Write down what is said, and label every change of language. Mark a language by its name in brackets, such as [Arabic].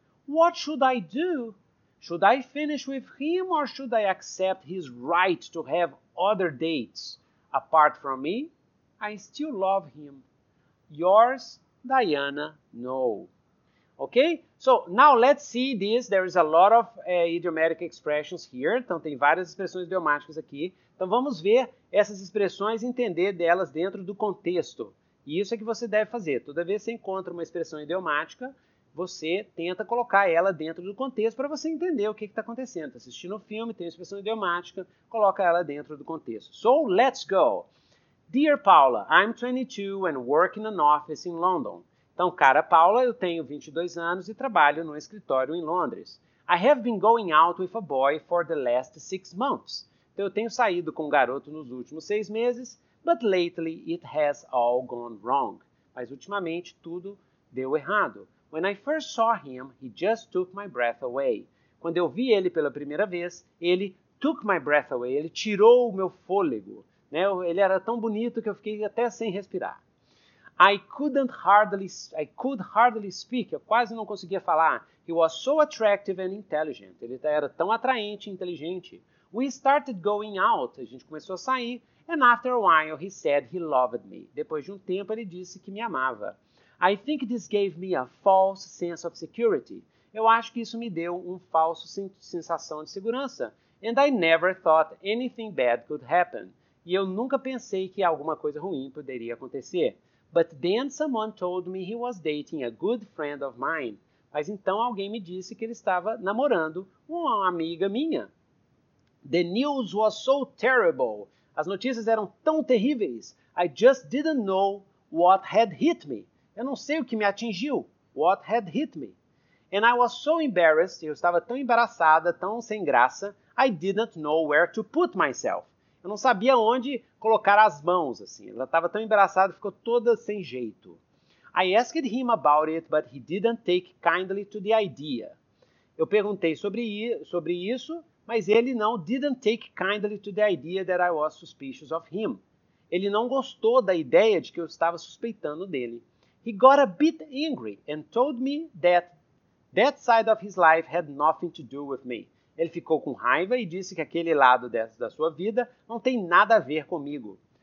[English] What should I do? Should I finish with him or should I accept his right to have other dates apart from me? I still love him. Yours, Diana, no. Okay? So, now let's see this. There is a lot of idiomatic expressions here. [Portuguese] Então, tem várias expressões idiomáticas aqui. Então, vamos ver essas expressões e entender delas dentro do contexto. E isso é que você deve fazer. Toda vez que você encontra uma expressão idiomática, você tenta colocar ela dentro do contexto para você entender o que está acontecendo. Assistindo o filme, tem uma expressão idiomática, coloca ela dentro do contexto. [English] So, let's go. Dear Paula, I'm 22 and work in an office in London. [Portuguese] Então, cara Paula, eu tenho 22 anos e trabalho num escritório em Londres. [English] I have been going out with a boy for the last 6 months. [Portuguese] Então, eu tenho saído com um garoto nos últimos 6 meses, [English] but lately it has all gone wrong. [Portuguese] Mas, ultimamente, tudo deu errado. [English] When I first saw him, he just took my breath away. [Portuguese] Quando eu vi ele pela primeira vez, ele [English] took my breath away, [Portuguese] ele tirou o meu fôlego. Né? Ele era tão bonito que eu fiquei até sem respirar. [English] I could hardly speak. [Portuguese] Eu quase não conseguia falar. [English] He was so attractive and intelligent. [Portuguese] Ele era tão atraente e inteligente. [English] We started going out. [Portuguese] A gente começou a sair. [English] And after a while, he said he loved me. [Portuguese] Depois de um tempo, ele disse que me amava. [English] I think this gave me a false sense of security. [Portuguese] Eu acho que isso me deu um falso sensação de segurança. [English] And I never thought anything bad could happen. [Portuguese] E eu nunca pensei que alguma coisa ruim poderia acontecer. [English] But then someone told me he was dating a good friend of mine. [Portuguese] Mas então alguém me disse que ele estava namorando uma amiga minha. [English] The news was so terrible. [Portuguese] As notícias eram tão terríveis. [English] I just didn't know what had hit me. [Portuguese] Eu não sei o que me atingiu. [English] What had hit me. And I was so embarrassed. [Portuguese] Eu estava tão embaraçada, tão sem graça. [English] I didn't know where to put myself. [Portuguese] Eu não sabia onde colocar as mãos, assim. Ela estava tão embaraçada, ficou toda sem jeito. [English] I asked him about it, but he didn't take kindly to the idea. [Portuguese] Eu perguntei sobre isso, mas ele não [English] didn't take kindly to the idea that I was suspicious of him. [Portuguese] Ele não gostou da ideia de que eu estava suspeitando dele. [English] He got a bit angry and told me that that side of his life had nothing to do with me. [Portuguese] Ele ficou com raiva e disse que aquele lado da sua vida não tem nada a ver comigo.